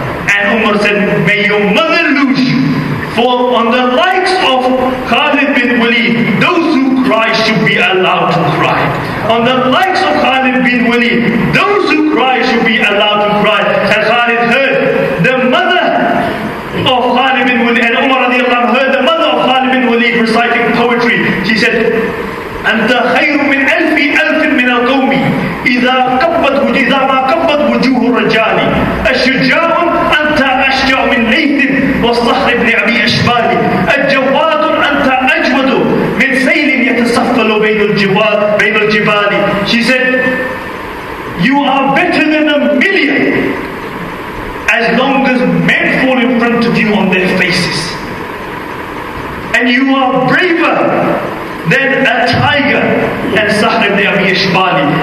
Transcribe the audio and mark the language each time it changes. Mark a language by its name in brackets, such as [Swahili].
[English] And Umar said, may your mother lose you. For on the likes of Khalid bin Walid, those who cry should be allowed to cry. On the likes of Khalid bin Walid, those who cry should be allowed to cry. And Khalid heard the mother of Khalid bin Walid, and Umar radiallahu anhu heard the mother of Khalid bin Walid reciting poetry. She said, [Arabic] أنت خير من ألف ألف من القوم إذا ما كبت وجوه الرجال الشجاع أنت أشجع من ليث والصخر بن أبي أشبال الجواد أنت أجود من سيل يتسفل بين الجبال. [English] She said, you are better than a million as long as men fall in front of you on their faces, and you are braver than a tiger and Sahr ibn Abi Ishbali.